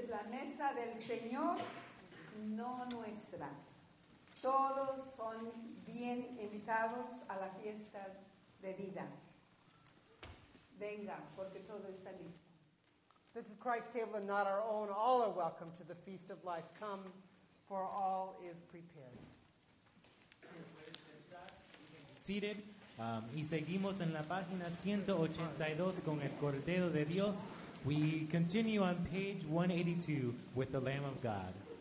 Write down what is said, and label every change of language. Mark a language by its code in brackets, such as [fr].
[es] Mesa del Señor, no nuestra. Todos son bien invitados a la fiesta de vida. Venga, porque todo está listo. [en] This is Christ's table and not our own. All are welcome to the Feast of Life. Come, for all is prepared. Seated. [es] Y seguimos en la página 182 con el Cordero de Dios. [en] We continue on page 182 with the Lamb of God.